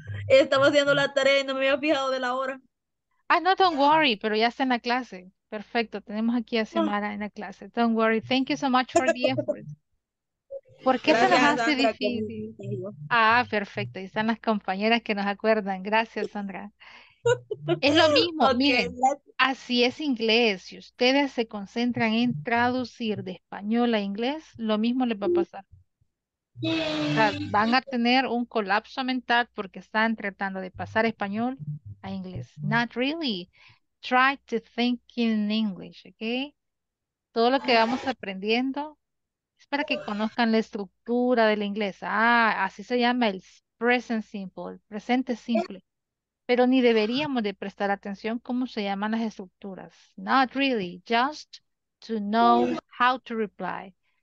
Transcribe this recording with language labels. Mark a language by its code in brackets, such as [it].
[es] Estaba haciendo la tarea y no me había fijado de la hora. Ah, no, [en] don't worry, [es] pero ya está en la clase. Perfecto, tenemos aquí a Xiomara en la clase. [en] Don't worry, thank you so much for the effort. [es] ¿Por qué se nos hace difícil? Ah, perfecto, ahí están las compañeras que nos acuerdan. Gracias, Sandra. Es lo mismo, okay, miren, así es inglés. Si ustedes se concentran en traducir de español a inglés, lo mismo les va a pasar. O sea, van a tener un colapso mental porque están tratando de pasar español a inglés. [en] Not really. Try to think in English, [es] okay? Todo lo que vamos aprendiendo es para que conozcan la estructura del inglés. Ah, así se llama el present simple, el presente simple. Pero ni deberíamos de prestar atención cómo se llaman las estructuras. [en] Not really, just to know how to reply.